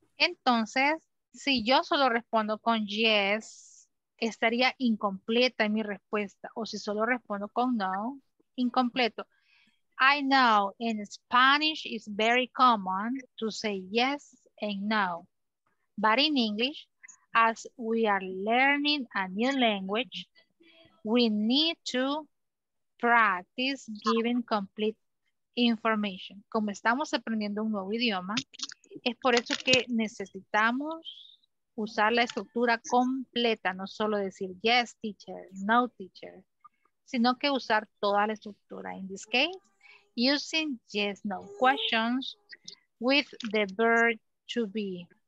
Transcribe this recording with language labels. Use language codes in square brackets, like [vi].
[es] Entonces, si yo solo respondo con yes, estaría incompleta mi respuesta. O si solo respondo con no, incompleto. [en] I know in Spanish it's very common to say yes and no. But in English, as we are learning a new language, we need to practice giving complete information. [es] Como estamos aprendiendo un nuevo idioma, es por eso que necesitamos usar la estructura completa, no solo decir [en] yes teacher, no teacher, [es] sino que usar toda la estructura. [en] In this case, using yes no questions with the verb to be.